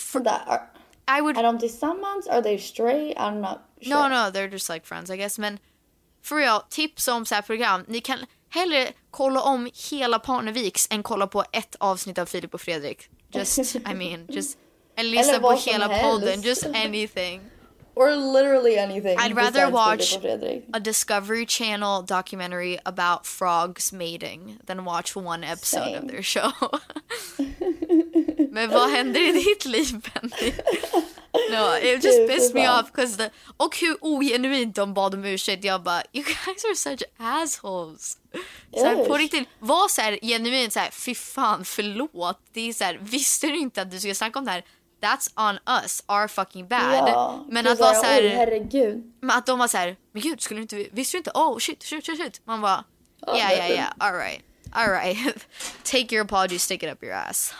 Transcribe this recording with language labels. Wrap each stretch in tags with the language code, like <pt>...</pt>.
<en>for that...</en> <sv>Är de tillsammans?</sv> <en>Are they straight? I'm not sure. No, they're just like friends, I guess.</en> <sv>Men</sv> <en>for real,</en> <sv>tips om så här program. Ni kan hellre kolla om hela Parneviks än kolla på ett avsnitt av Filip och Fredrik.</sv> <en>Just, I mean, just...</en> <sv>Eller lyssna på hela podden.</sv> <en>Just anything. Or literally anything. I'd rather watch a Discovery Channel documentary about frogs mating than watch one episode of their show.</en> <sv>Men vad händer I ditt liv, Benny?</sv> <en>No, it just pissed me off because the</en> <sv>och hur ogenuint de bad om ursäkt. Jag bara,</sv> <en>you guys are such assholes.</en> <sv>Så här, på riktigt, var så här genuint så här, fy fan, förlåt. Det är så här, visste du inte att du skulle snacka om det här?</sv> <en>That's on us, our fucking bad.</en> <sv>Ja, men att vara så här, herregud. Men att de var så här, men gud, skulle du inte, visste du inte?</sv> <en>Oh, shit.</en> <sv>Man bara,</sv> <en>yeah, all right. Take your apology, stick it up your ass.</en>